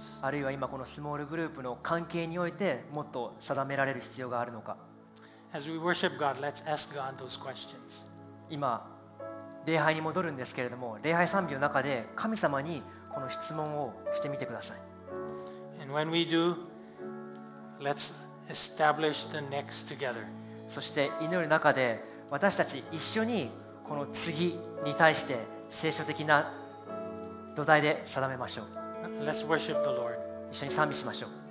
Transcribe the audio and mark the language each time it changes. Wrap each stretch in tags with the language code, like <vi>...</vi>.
<ja>あるいは今このスモールグループの関係においてもっと定められる必要があるのか?</ja> <en>As we worship God, let's ask God those questions.</en> <ja>今礼拝に戻るんですけれども、礼拝賛美の中で神様にこの質問をしてみてください。</ja> <en>And when we do, let's establish the next together.</en> <ja>そして祈る中で私たち一緒にこの次に対して聖書的な土台で定めましょう。</ja> <en>Let's worship the Lord.</en> <ja>一緒に賛美しましょう。</ja>